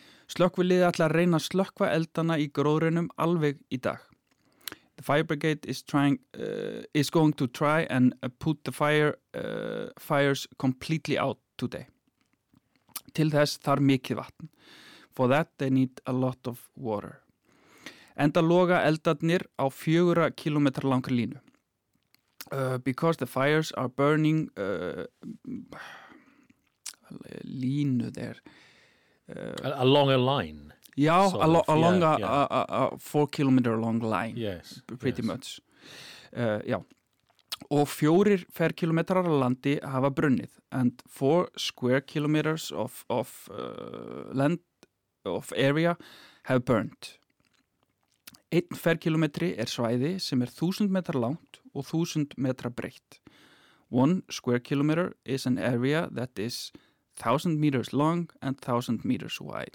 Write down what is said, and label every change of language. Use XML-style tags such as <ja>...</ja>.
<is>Slökkviliðið ætlar að reyna að slökkva eldana í gróðrinum alveg í dag.</is> <en>The fire brigade is trying is going to try and put the fire fires completely out today.</en> <is>Til þess þarf mikið vatn.</is> <en>For that they need a lot of water.</en> <is>Enda loga eldarnir á 4 km langri línu.</is> <en>Because the fires are burning línu there. Along a line. Já, sort of. Along yeah, yeah. A 4 km long line. Yes. Pretty yes. much. Já.</en> <is>Og 4 ferkilometrar að landi hafa brunnið.</is> <en>And 4 square kilometers of area have burned.</en> <is>1 ferkilometri er svæði sem 1000 metrar langt og 1000 metrar breitt.</is> <en>1 square kilometer is an area that is 1000 meters long and 1000 meters wide.</en>